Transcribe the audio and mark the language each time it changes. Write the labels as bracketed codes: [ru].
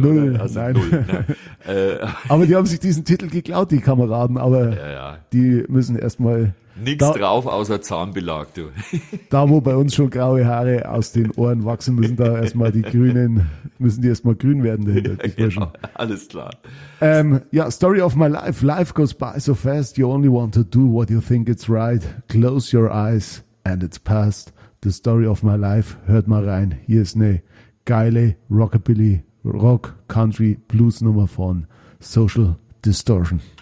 [de] Null, oder? Also nein. Null, ne? Aber die haben sich diesen Titel geklaut, die Kameraden, aber ja, ja. Die müssen erstmal... Nichts da, drauf, außer Zahnbelag, du. Da, wo bei uns schon graue Haare aus den Ohren wachsen, müssen da erstmal die Grünen, müssen die erstmal grün werden dahinter, die Burschen. Ja, alles klar. [en] Ja, Story of my life. Life goes by so fast, you only want to do what you think it's right. Close your eyes and it's past. [de] The Story of My Life, hört mal rein. Hier ist eine geile Rockabilly, Rock, Country, Blues Nummer von Social Distortion.